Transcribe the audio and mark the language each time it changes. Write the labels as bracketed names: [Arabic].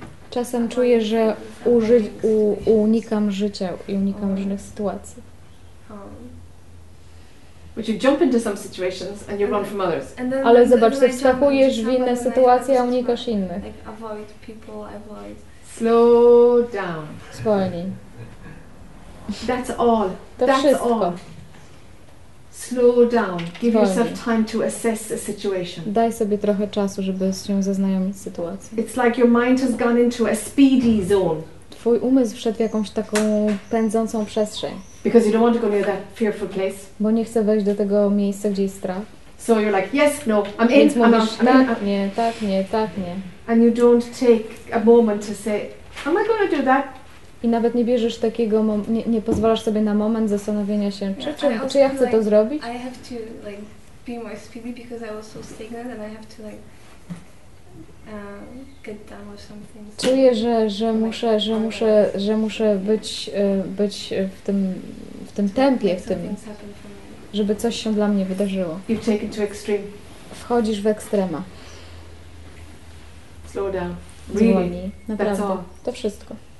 [Polish] Czasem czuję, że unikam życia i unikam różnych sytuacji. [English] But you jump into some situations and you run from others. [Polish] Ale zobacz, ty wskakujesz w inne sytuacje, a unikasz innych. [English] Avoid people, avoid. Slow down. [Polish] Zwolnij. [English] That's all. That's all. Slow down. Give yourself time to assess the situation. [Polish] Daj sobie trochę czasu, żeby się zaznajomić z sytuacją. [English] It's like your mind has gone into a speedy zone. [Polish] Twój umysł wszedł w jakąś taką pędzącą przestrzeń. [English] Because you don't want to go near that fearful place. [Polish] Bo nie chcesz wejść do tego miejsca, gdzie jest strach. [English] So you're like, yes, no, I'm in, I'm out. [Polish] Tak, nie. [English] And you don't take a moment to say, am I going to do that? [Polish] I nawet nie bierzesz takiego, nie pozwalasz sobie na moment zastanowienia się, czy ja chcę to zrobić. [English] I have to like be more speedy because I was so stagnant and I have to like get done with something. [Polish] Czuję, że muszę być w tym tempie, w tym, żeby coś się dla mnie wydarzyło. [English] You've taken to extreme. [Polish] Wchodzisz w ekstrema. [English] Slow down. Really? [Polish] Zwolnij. Naprawdę. [English] That's all. [Polish] To wszystko.